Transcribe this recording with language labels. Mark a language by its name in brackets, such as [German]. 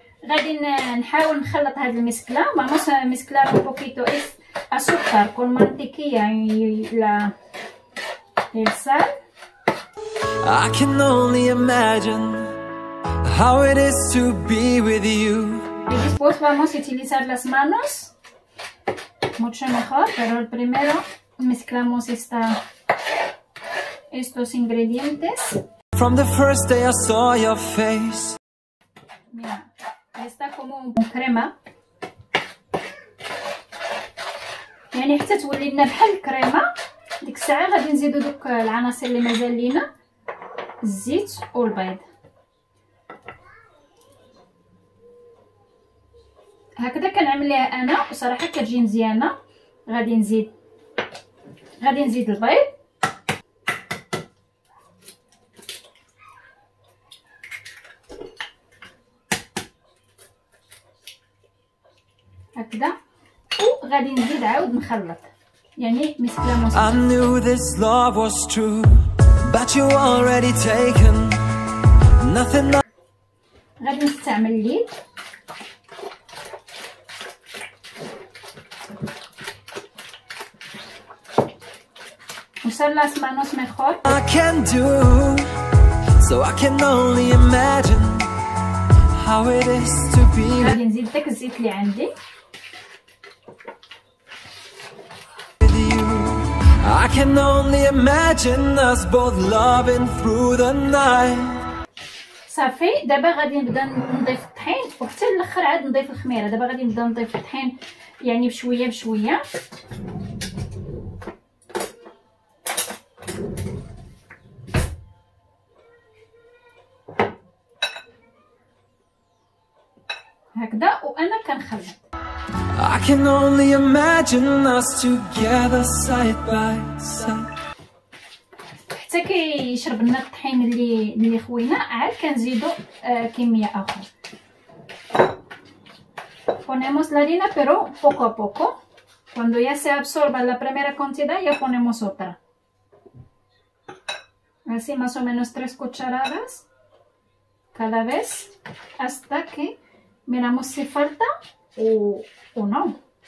[Arabic] غادي نحاول نخلط هذه المسكله. [Spanish] vamos a mezclar un poquito es azúcar con mantequilla y la el sal. [English] I can only imagine how it is to be with you. [Spanish] Y después vamos a utilizar las manos, mucho mejor, pero primero mezclamos estos ingredientes. [English] From the first day I saw your face. [Spanish] Mira, está como un crema. [Arabic] يعني حتى تولي لنا بحال كريمة. ديك الساعة غادي نزيدو دوك العناصر اللي مازال لينا، الزيت والبيض. هكذا كنعملها انا وصراحه كتجي مزيانه. غادي نزيد البيض. هكذا وغادي نزيد عاود نخلط. يعني مسكله [English] I knew this love was true but you already taken nothing. [Arabic] غادي نستعمل الليل. [Spanish] Usar las manos mejor. [English] I can do, so I can only imagine how it is to be. [Arabic] غادي نزيد داك الزيت اللي عندي. [English] With you, I can only imagine us both loving through the night. [Arabic] صافي دابا غادي نبدا نضيف الطحين وحتى الاخر عاد نضيف الخميره. دابا غادي نبدا نضيف الطحين يعني بشويه بشويه. [English] I can only imagine us together side by side. [Arabic] حتى كيشرب لنا الطحين اللي خوينا عاد كنزيدو كميه اخرى. [Spanish] ponemos la harina pero poco a poco. cuando ya se absorba la primera cantidad ya ponemos otra. así más o menos 3 cucharadas cada vez, hasta que miramos si falta o no.